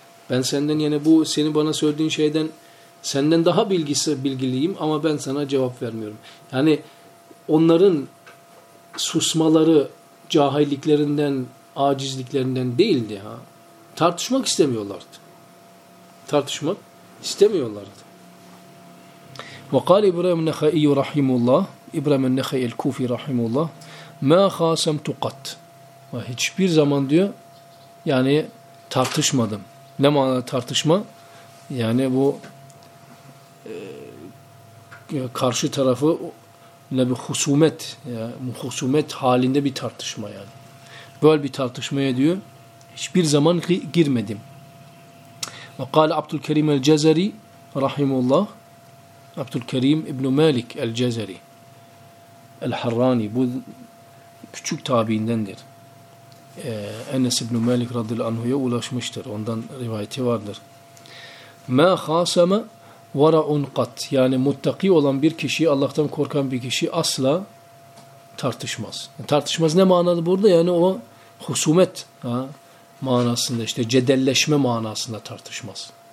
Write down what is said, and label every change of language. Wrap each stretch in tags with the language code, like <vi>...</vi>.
<tr>Ben senden, yani bu senin bana söylediğin şeyden senden daha bilgiliyim ama ben sana cevap vermiyorum. Yani onların susmaları cahilliklerinden, acizliklerinden değildi ha. Tartışmak istemiyorlardı. Tartışmak istemiyorlardı.</tr> <ar>وقال إبراهيم النخعي رحمه الله, إبراهيم النخعي الكوفي رحمه الله, ما خاصمت قط.</ar> <tr>Hiçbir zaman diyor, yani tartışmadım. Ne manada tartışma? Yani bu karşı tarafı ne bir husumet, yani husumet halinde bir tartışma yani. Böyle bir tartışmaya diyor hiçbir zaman girmedim. Ve</tr> <ar>قال عبد الكريم الجزري رحمه الله, عبد الكريم ابن مالك الجزري الحراني,</ar> <tr>bu küçük tabiindendir. Enes ibn Malik radıyallahu anhu'ya ulaşmıştır. Ondan rivayeti vardır.</tr> <ar>Ma khasama wara'un qat.</ar> <tr>Yani muttaki olan bir kişi, Allah'tan korkan bir kişi asla tartışmaz. Tartışmaz ne manada burada? Yani o husumet manasında, işte cedelleşme manasında tartışmaz.</tr>